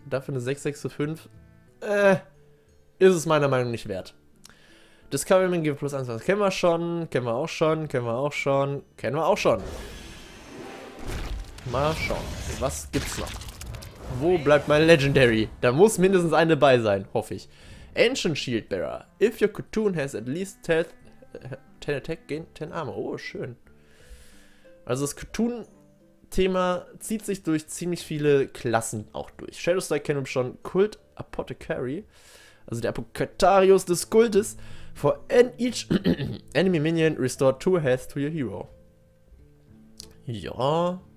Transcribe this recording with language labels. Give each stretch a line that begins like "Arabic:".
German: Dafür eine 6-6-5. Ist es meiner Meinung nach nicht wert. Discoverment gibt plus 1. Kennen wir schon. Kennen wir auch schon. Kennen wir auch schon. Kennen wir auch schon. Mal schauen. Was gibt's noch? Wo bleibt mein Legendary? Da muss mindestens eine bei sein, hoffe ich. Ancient Shield Bearer.
English: If your Cthulhu has at least 10 Attack, gain 10 Armor.
German: Oh, schön. Also das Cthulhu-Thema zieht sich durch ziemlich viele Klassen auch durch. Shadowstrike kennen wir schon. Kult Apothecary. Also der Apothekarius des Kultes.
English: For each enemy minion, restore 2 health to your hero. Ja.